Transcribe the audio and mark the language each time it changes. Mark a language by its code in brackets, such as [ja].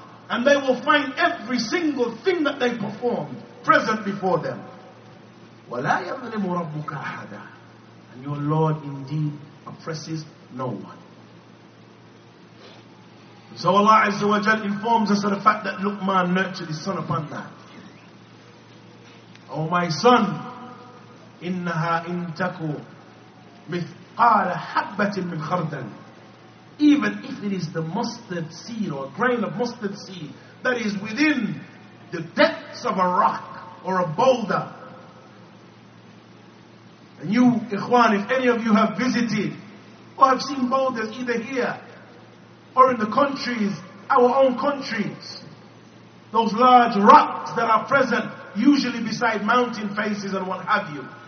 [en] And they will find every single thing that they performed present before them. [ar] وَلَا يَظْلِمُ رَبُّكَ أَحَدًا. [en] And your Lord indeed oppresses no one. And so Allah Azza wa Jal informs us of the fact that Luqman nurtured his son upon that. Oh my son, [ar] إِنَّهَا إِن تَكُوا مِثْقَالَ حَبَّةٍ مِنْ خَرْدًا. [en] Even if it is the mustard seed or a grain of mustard seed that is within the depths of a rock or a boulder. And you, Ikhwan, if any of you have visited or have seen boulders either here or in the countries, our own countries, those large rocks that are present usually beside mountain faces and what have you.